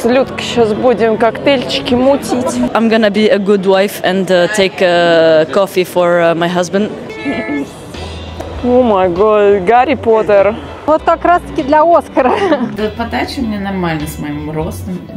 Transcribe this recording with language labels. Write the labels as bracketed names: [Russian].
[Russian] С Людкой сейчас будем коктейльчики мутить. [English] I'm gonna be a good wife and take coffee for my husband. Oh my god, Гарри Поттер. [Russian] Вот так раз таки для Оскара. Да подача у меня нормально с моим ростом.